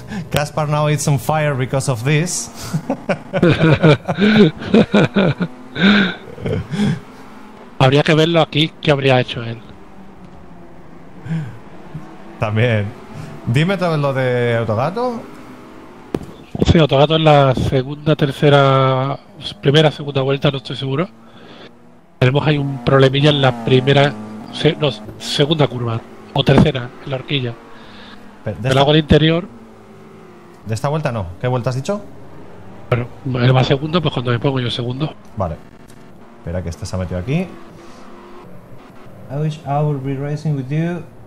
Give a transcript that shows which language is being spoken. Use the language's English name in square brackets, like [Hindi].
[English] Kaspar now is on fire because of this. [Spanish] Habría que verlo aquí, ¿qué habría hecho él? También. Dime otra vez lo de Autogato. Sí, Autogato en la segunda, tercera, primera, segunda vuelta, no estoy seguro. Tenemos ahí un problemilla en la primera, no, segunda curva, o tercera, en la horquilla. Del agua al interior. De esta vuelta no, ¿qué vuelta has dicho? Bueno, él va segundo, pues cuando me pongo yo segundo. Vale. Espera que este se ha metido aquí. [English] I wish I would be racing with you.